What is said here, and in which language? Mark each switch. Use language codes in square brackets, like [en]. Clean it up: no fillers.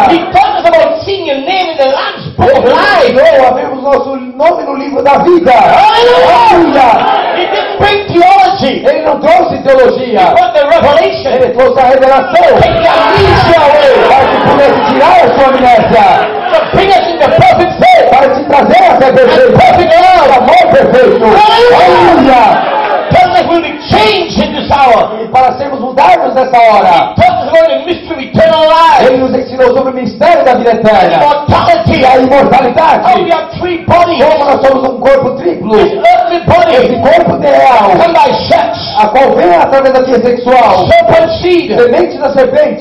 [en] He taught us about seeing your name in the Lamb's Book of Life. [pt] Ele ensinou a ver o nosso nome no livro da vida. Aleluia. Aleluia. [en] He didn't bring theology. [pt] Ele não trouxe teologia. [en] He brought the revelation. [pt] Ele trouxe a revelação. [en] Take your amnesia away. [pt] Para que pudesse tirar a sua amnésia. [en] To bring us in the perfect faith. [pt] Para te trazer a fé perfeita. [en] And perfect love. [pt] Amor perfeito. Aleluia. Aleluia. [en] Tell us we'll be changed in this hour. [pt] E para sermos mudados nessa hora. [en] Tell us about the mystery. eternal life. [pt] Ele nos ensinou sobre o mistério da vida eterna. [en] Immortality. [pt] A imortalidade. [en] How we are three bodies. [pt] Como nós somos corpo triplo. [en] This earthly body. [pt] Esse corpo terreal. [en] Come by sex. [pt] A qual vem através da via sexual. [en] Serpent seed. [pt] Semente da serpente.